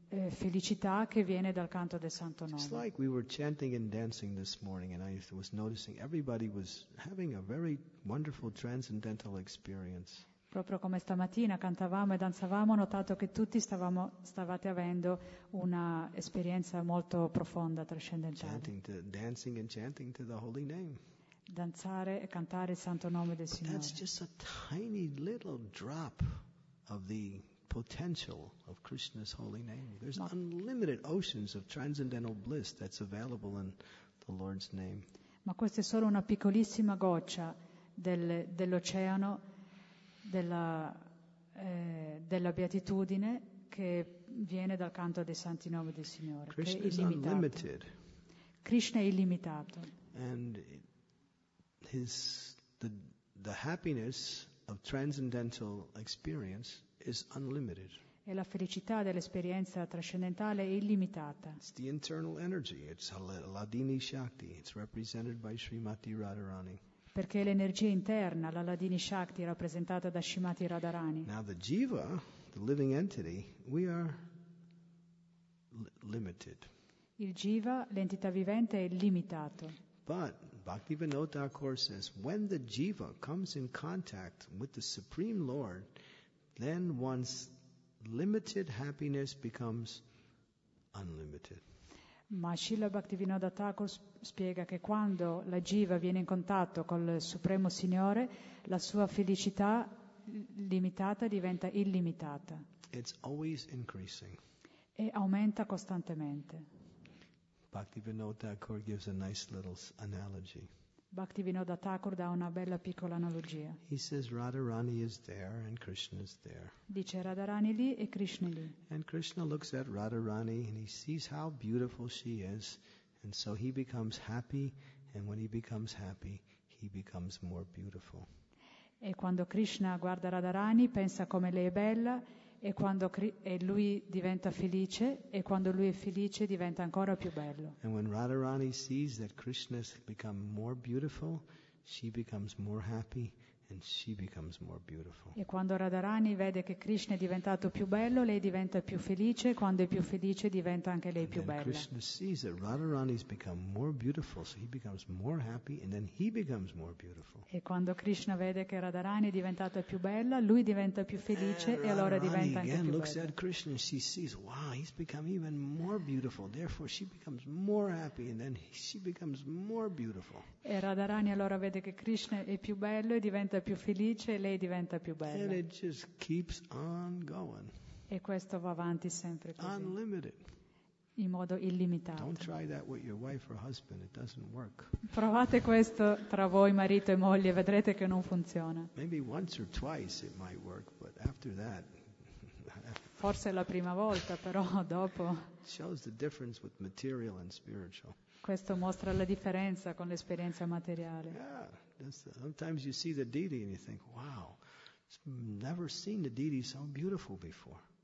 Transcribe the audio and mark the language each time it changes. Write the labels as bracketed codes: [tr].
[it] felicità che viene dal canto del Santo Nome. [en] It's like we were chanting and dancing this morning, and I was noticing everybody was having a very wonderful transcendental experience. [it] Proprio come stamattina cantavamo e danzavamo, ho notato che tutti stavate avendo una esperienza molto profonda, trascendentale. [en] Dancing and chanting to the holy name. [it] Danzare e cantare il santo nome del Signore. [en] That's just a tiny little drop of the potential of Krishna's holy name. There's unlimited oceans of transcendental bliss that's available in the Lord's name. [it] Ma questa è solo una piccolissima goccia dell'oceano della beatitudine che viene dal canto dei santi nomi del Signore. Krishna che è illimitato. Krishna è illimitato. [en] And the happiness of transcendental experience is unlimited. [it] E la felicità dell'esperienza trascendentale è illimitata. [en] It's the internal energy. It's Ladini Shakti. It's represented by Srimati Radharani. [it] Perché l'energia interna, la Ladini Shakti, rappresentata da Srimati Radharani. [en] Now the jiva, the living entity, we are limited. [it] Il jiva, l'entità vivente, è limitato. [en] But Bhaktivinoda Thakur says, when the jiva comes in contact with the Supreme Lord, then one's limited happiness becomes unlimited. [it] Ma Srila Bhaktivinoda Thakur spiega che quando la jiva viene in contatto col Supremo Signore, la sua felicità limitata diventa illimitata. [en] It's always increasing. [it] E aumenta costantemente. [en] Bhaktivinoda Thakur gives a nice little analogy. [it] Bhaktivinoda Thakur dà una bella piccola analogia. [en] He says Radharani is there and Krishna is there. [it] Dice Radharani lì e Krishna lì. [en] And Krishna looks at Radharani and he sees how beautiful she is, and so he becomes happy, and when he becomes happy, he becomes more beautiful. [it] E quando Krishna guarda Radharani pensa come lei è bella. E lui diventa felice, e quando lui è felice diventa ancora più bello. [en] And when Radharani sees that Krishna has become more beautiful, she becomes more happy and she becomes more beautiful. [it] E quando Radharani vede che Krishna è diventato più bello, lei diventa più felice, quando è più felice diventa anche lei [en] and [it] più bella. [en] Krishna sees that Radharani has become more beautiful, so he becomes more happy and then he becomes more beautiful. [it] E quando Krishna vede che Radharani è diventata più bella, lui diventa più felice [en] and [it] e allora diventa anche [en] again [it] più [en] looks [it] bella. [en] At Krishna and she sees, wow, he's become even more beautiful. Therefore she becomes more happy and then she becomes more beautiful. [it] E Radharani allora vede che Krishna è più bello e diventa più felice e lei diventa più bella. [en] And it just keeps on going. [it] E questo va avanti sempre così. [en] Unlimited. [it] In modo illimitato. [en] Don't try that with your wife or husband. It doesn't work. [it] Provate questo tra voi marito e moglie, vedrete che non funziona. [en] Maybe once or twice it might work, but after that. [it] Forse la prima volta, però dopo. [en] Shows the difference with material and spiritual. [it] Questo mostra la differenza con l'esperienza materiale. [en] Yeah, sometimes you see the deity and you think, wow, never seen the deity so beautiful before.